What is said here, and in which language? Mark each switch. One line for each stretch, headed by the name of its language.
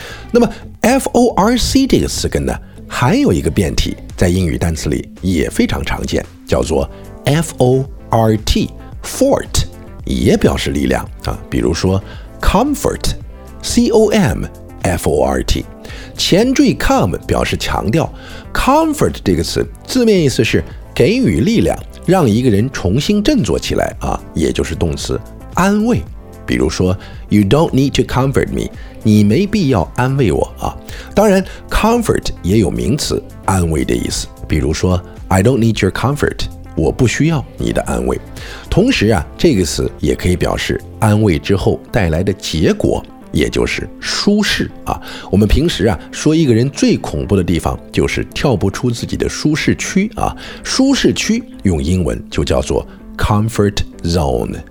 Chinese: 那么 force 这个词根呢，还有一个变体，在英语单词里也非常常见，叫做 fort， fort 也表示力量啊，比如说 comfort， c o m f o r t， 前缀 com 表示强调 ，comfort 这个词字面意思是给予力量。让一个人重新振作起来啊，也就是动词安慰。
English: 比如说 ，You don't need to comfort me，
Chinese: 你没必要安慰我啊。当然 ，comfort 也有名词安慰的意思。
English: 比如说 ，I don't need your comfort，
Chinese: 我不需要你的安慰。同时啊，这个词也可以表示安慰之后带来的结果，也就是舒适啊。我们平时啊说一个人最恐怖的地方就是跳不出自己的舒适区啊，舒适区用英文就叫做 comfort zone。